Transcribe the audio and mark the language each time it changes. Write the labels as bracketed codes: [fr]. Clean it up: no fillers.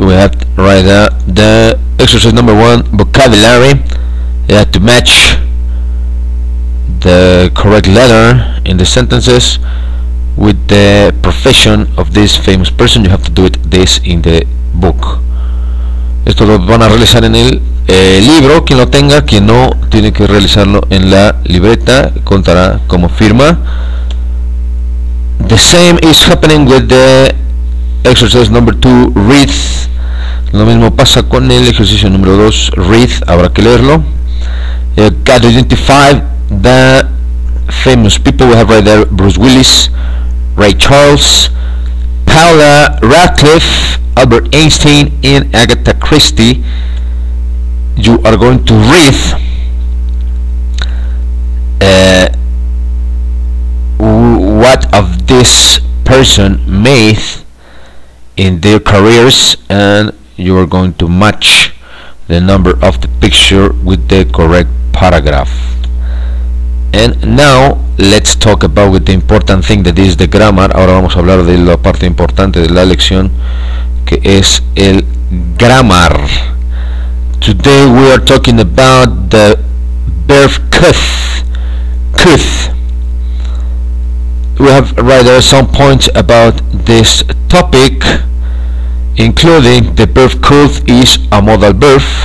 [en] We have to write the exercise number one, vocabulary. You have to match the correct letter in the sentences with the profession of this famous person. You have to do it this in the book. [es] Esto lo van a realizar en el libro, quien lo tenga, quien no, tiene que realizarlo en la libreta, contará como firma. [en] The same is happening with the exercise number two, read. [es] Lo mismo pasa con el ejercicio número 2, read, habrá que leerlo. [en] Got to identify the famous people. We have right there Bruce Willis, Ray Charles, Paula Radcliffe, Albert Einstein, and Agatha Christie. You are going to read what of this person made in their careers, and you are going to match the number of the picture with the correct paragraph. And now let's talk about with the important thing, that is the grammar. [es] Ahora vamos a hablar de la parte importante de la lección, que es el grammar. [en] Today we are talking about the verb kuth. Kuth. We have right there some points about this topic, including the verb kuth is a modal verb.